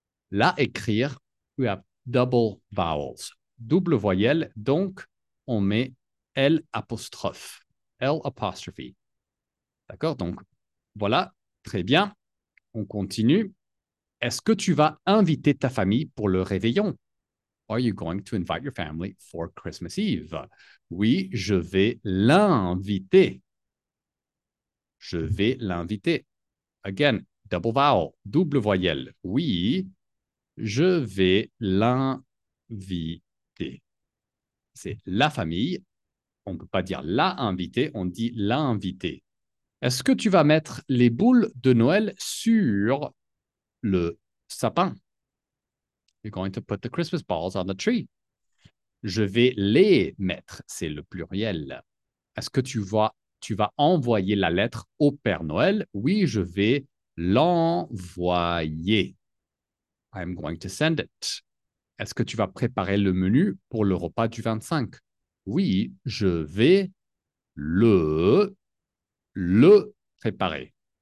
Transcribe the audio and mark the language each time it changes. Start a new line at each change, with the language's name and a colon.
French: la écrire,
English: we have double vowels.
French: Double voyelle, donc on met L apostrophe. L apostrophe. D'accord? Donc, voilà. Très bien. On continue. Est-ce que tu vas inviter ta famille pour le réveillon?
English: Are you going to invite your family for Christmas Eve?
French: Oui, je vais l'inviter. Je vais l'inviter.
English: Again, double vowel,
French: double voyelle. Oui, je vais l'inviter. C'est la famille. On ne peut pas dire la invité, on dit l'inviter. Est-ce que tu vas mettre les boules de Noël sur le sapin?
English: You're going to put the Christmas balls on the tree.
French: Je vais les mettre, c'est le pluriel. Est-ce que tu vas envoyer la lettre au Père Noël? Oui, je vais l'envoyer.
English: I'm going to send it.
French: Est-ce que tu vas préparer le menu pour le repas du 25? Oui, je vais le préparer.